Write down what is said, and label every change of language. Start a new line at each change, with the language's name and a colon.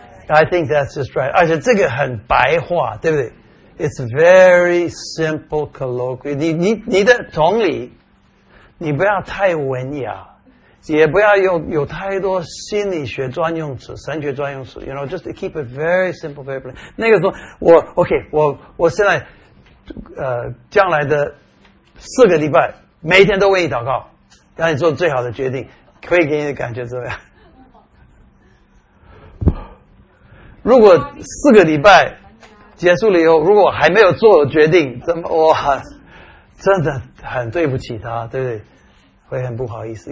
English: I think that's just right.
Chinese: 而且这个很白话，对不对
English: ？It's very simple colloquial.
Chinese: 你的同理，你不要太文雅，也不要有太多心理学专用词、神学专用词。
English: You know, just to keep it very simple, very plain.
Chinese: 那个时候，我现在。将来的四个礼拜每天都为你祷告，让你做最好的决定，可以给你的感觉怎么样？如果四个礼拜结束了以后，如果还没有做决定，怎么我真的很对不起他，对不对？会很不好意思。